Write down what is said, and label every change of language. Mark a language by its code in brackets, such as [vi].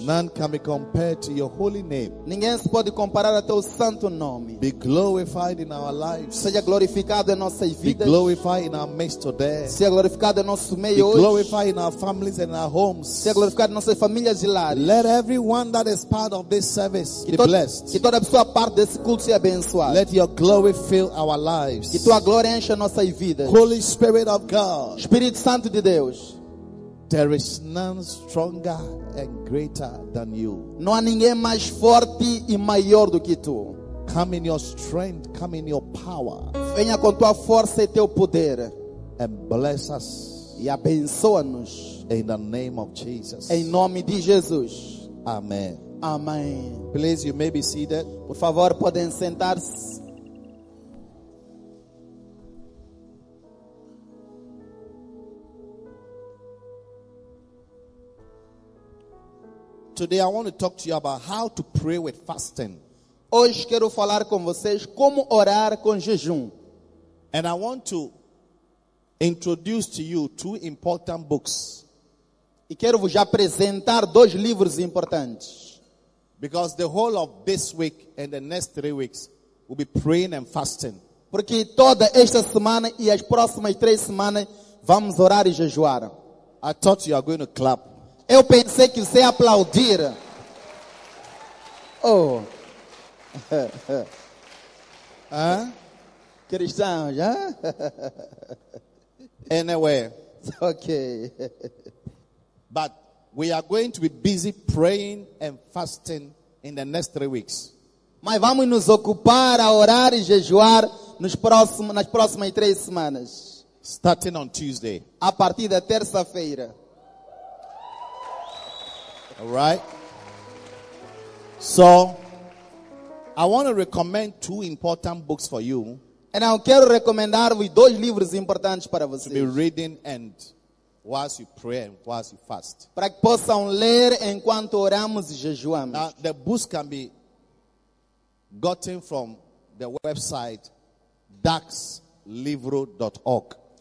[en] None can be compared to your holy name. [pt] Ninguém se pode comparar a teu santo nome. [en] Be glorified in our lives. [pt] Seja glorificado em nossas vidas. [en] Be glorified in our midst today. [pt] Seja glorificado em nosso meio hoje. [en] Be glorified in our families and our homes. [pt] Seja glorificado em nossas famílias e lares. [en] Let everyone that is part of this service be blessed. [pt] Que toda pessoa parte desse culto seja abençoada. [en] Let your glory fill our lives. [pt] Que tua glória encha nossas vidas. [en] Holy Spirit of God. [pt] Espírito Santo de Deus. [en] There is none stronger and greater than you. [pt] Não há ninguém mais forte e maior do que tu. [en] Come in your strength, come in your power. [pt] Venha com tua força e teu poder. [en] And bless us. [pt] E abençoa-nos. [en] In the name of Jesus. [pt] Em nome de Jesus. Amém. Amém. [en] Please, you may be seated. [pt] Por favor, podem sentar-se. [en] Today I want to talk to you about how to pray with fasting. [pt] Hoje quero falar com vocês como orar com jejum. [en] And I want to introduce to you two important books. [pt] E quero vos apresentar dois livros importantes. [en] Because the whole of this week and the next 3 weeks will be praying and fasting. [pt] Porque toda esta semana e as próximas 3 semanas vamos orar e jejuar. [en] I thought you are going to clap. [pt] Eu pensei que você ia aplaudir. Oh. Cristão, já? [en] Anyway. Okay. But we are going to be busy praying and fasting in the next 3 weeks. [pt] Mas vamos nos ocupar a orar e jejuar nas próximas 3 semanas. [en] Starting on Tuesday. [pt] A partir da terça-feira. [en] All right. So, I want to recommend 2 important books for you. [pt] E eu quero recomendar-vos 2 livros importantes para vocês. [en] To be reading and whilst you pray and whilst you fast. [pt] Para que possam ler enquanto oramos e jejuamos. [en] Now, the books can be gotten from the website daxlivro.org.